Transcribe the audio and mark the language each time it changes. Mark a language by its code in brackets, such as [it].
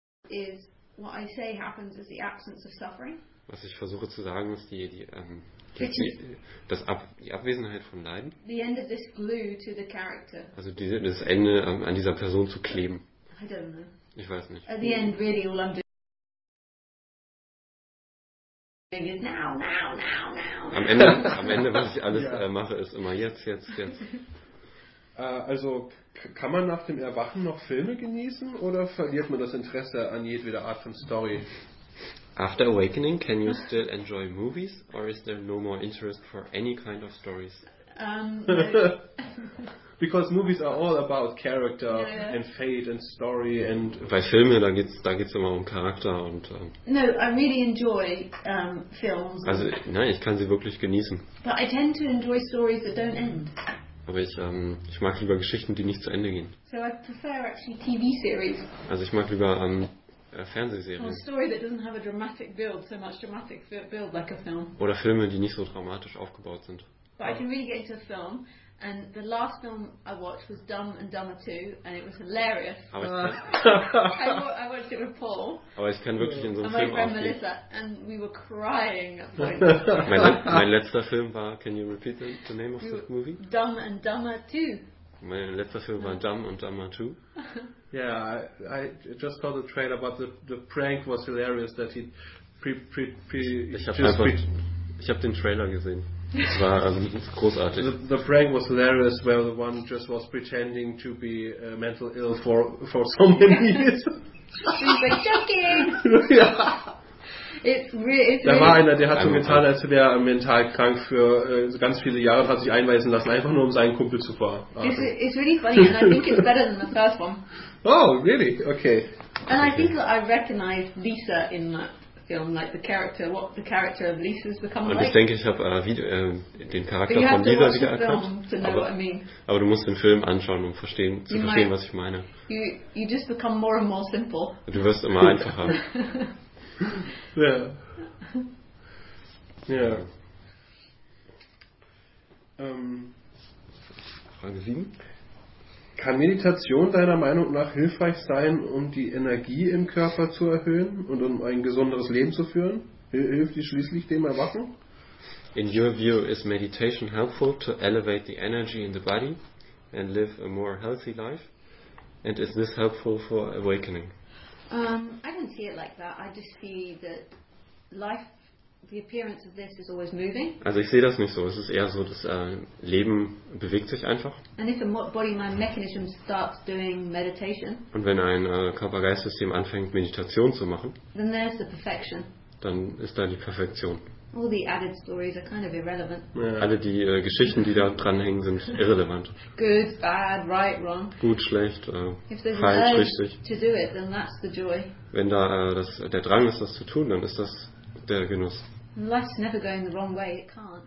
[en] is what I say happens is the absence of suffering. [de] Was ich versuche zu sagen ist die Abwesenheit von Leiden. [en] The end of this glue to the character. [de] Also das Ende an dieser Person zu kleben. [en] I don't know. [de] Ich weiß nicht. [en] At the end, really, all I'm doing is now. [de] Am Ende, was ich alles mache, ist immer jetzt. Also kann man nach dem Erwachen noch Filme genießen oder verliert man das Interesse an jedweder Art von Story? [en] After awakening, can you still enjoy movies or is there no more interest for any kind of stories? No. Because movies are all about character and fate and story and. [de] Bei Filmen da geht's immer um Charakter und. [en] No, I really enjoy films. [de] Also nein, ich kann sie wirklich genießen. [en] But I tend to enjoy stories that don't end. [de] Aber ich mag lieber Geschichten, die nicht zu Ende gehen. [en] So I prefer actually TV series. [de] Also ich mag lieber Fernsehserien. [en] Or a story that doesn't have a dramatic build, so much dramatic build like a film. [de] Oder Filme, die nicht so dramatisch aufgebaut sind. [en] But I can really get into a film, and the last film I watched was Dumb and Dumber 2, and it was hilarious. [de] Aber [en] I watched it with Paul. [de] Aber ich kann wirklich in so einem Film aufgehen. [en] And my friend Melissa, and we were crying at points. [de] mein letzter Film war, [en] can you repeat the name of that movie? Dumb and Dumber 2. [de] Mein letzter Film war Dumb and Dumber 2. [en] Yeah, I just saw the trailer, but the prank was hilarious that he [de] Ich hab den Trailer gesehen. Es war großartig. [en] The prank was hilarious, where the one just was pretending to be mental ill for so many years. He's like, joking! [de] Ja. [en] It's [de] da war einer, der hat so getan, als wäre er mental krank für ganz viele Jahre und hat sich einweisen lassen, einfach nur um seinen Kumpel zu verarschen. [en] It's really funny and I think it's better than the first one. Oh, really? Okay. And I think that I recognize Lisa in that film, like the character, what the character of Lisa's become [de] und [en] like. [de] Ich denke, ich habe den Charakter von Lisa wiedererkannt. Aber du musst den Film anschauen, um zu verstehen, was ich meine. [en] You just become more and more simple. [de] Du wirst immer einfacher. Ja. Frage 7. Kann Meditation deiner Meinung nach hilfreich sein, um die Energie im Körper zu erhöhen und um ein gesunderes Leben zu führen? Hilft die schließlich dem Erwachen? [en] In your view, is meditation helpful to elevate the energy in the body and live a more healthy life? And is this helpful for awakening? I don't see it like that. I just see that life, the appearance of this is always moving. [de] Also ich sehe das nicht so. Es ist eher so, dass Leben bewegt sich einfach. [en] And if a body mind mechanism starts doing meditation. [de] Und wenn ein Körper-Geist-System anfängt, Meditation zu machen. [en] Then there's the perfection. [de] Dann ist da die Perfektion. [en] All the added stories are kind of irrelevant. Yeah. [de] Alle die Geschichten, die da dranhängen, sind irrelevant. [en] Good, bad, right, wrong. [de] Gut, schlecht, falsch, richtig. [en] To do it, then that's the joy. [de] Wenn da der Drang ist, das zu tun, dann ist das der Genuss. [en] Life's never going the wrong way, it can't.